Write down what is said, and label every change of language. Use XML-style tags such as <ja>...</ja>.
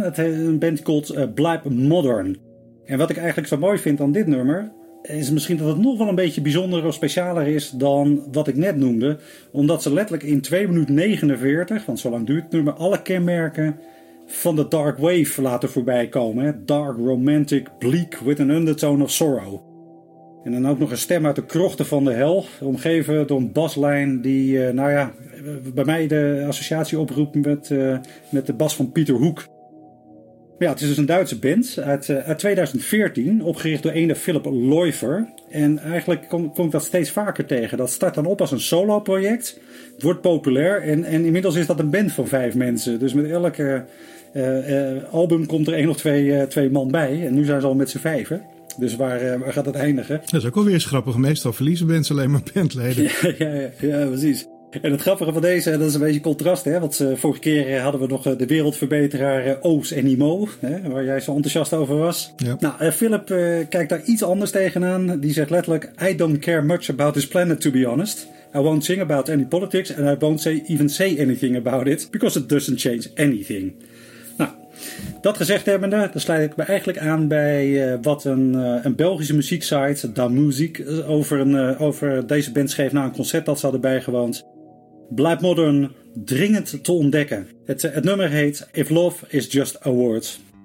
<nl>Het is een band called Bleib Modern. En wat ik eigenlijk zo mooi vind aan dit nummer is misschien dat het nog wel een beetje bijzonder of specialer is dan wat ik net noemde. Omdat ze letterlijk in 2 minuten 49, want zo lang duurt het nummer, alle kenmerken van de Dark Wave laten voorbij komen. Hè?</nl> <en>Dark, romantic, bleak, with an undertone of sorrow.</en> <nl>En dan ook nog een stem uit de krochten van de hel, omgeven door een baslijn die, bij mij de associatie oproept met de bas van Peter Hook. Maar ja, het is dus een Duitse band uit 2014, opgericht door ene Philip Loifer. En eigenlijk kom ik dat steeds vaker tegen. Dat start dan op als een solo-project, wordt populair en inmiddels is dat een band van 5 mensen. Dus met elke album komt er 1 of 2 man bij en nu zijn ze al met z'n 5. Dus waar gaat dat eindigen? Dat is ook alweer eens grappig. Meestal verliezen mensen alleen maar bandleden. Ja, precies. En het grappige van deze, dat is een beetje contrast. Hè? Want vorige keer hadden we nog de wereldverbeteraar Oos en Imo, hè? Waar jij zo enthousiast over was. Ja. Nou, Philip kijkt daar iets anders tegenaan. Die zegt letterlijk,</nl> <en>I don't care much about this planet, to be honest. I won't sing about any politics and I won't even say anything about it, because it doesn't change anything.</en> <nl>Dat gezegd hebbende, dan sluit ik me eigenlijk aan bij wat een Belgische muzieksite, Damuziek, over deze band schreef na een concert dat ze hadden bijgewoond. Blijft modern dringend te ontdekken. Het nummer heet If Love Is Just a Word.</nl>